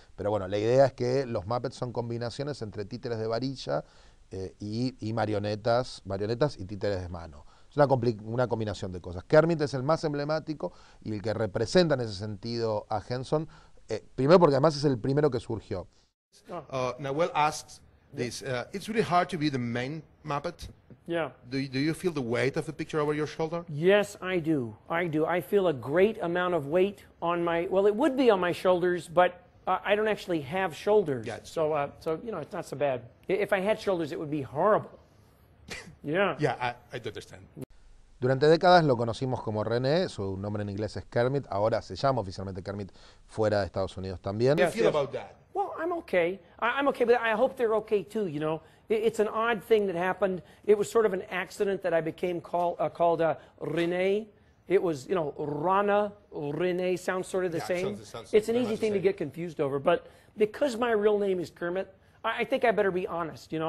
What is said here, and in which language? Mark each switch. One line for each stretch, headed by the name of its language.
Spanish: Pero bueno, la idea es que los Muppets son combinaciones entre títeres de varilla y marionetas y títeres de mano. Es una combinación de cosas. Kermit es el más emblemático y el que representa en ese sentido a Henson, primero porque además es el primero que surgió.
English: Noel asks this, it's really hard to be the main Muppet. Yeah. Do you feel the weight of the picture over your shoulder? Yes, I do. I do. I feel a great amount of weight on my, well, it would be on my shoulders, but I don't actually have shoulders. Yes. So you know, it's not so bad. If I had shoulders, it would be horrible. Yeah. Yeah, I do understand.
Spanish: Durante décadas lo conocimos como René, su nombre en inglés es Kermit, ahora se llama oficialmente Kermit fuera de Estados Unidos también.
English: How do you feel about that? Well, I'm okay. I'm okay, but I hope they're okay too, you know. It's an odd thing that happened. It was sort of an accident that I became called René. It was, you know, Rana, René, sounds sort of the same. It's an easy thing to get confused over, but because my real name is Kermit, I think I better be honest, you know.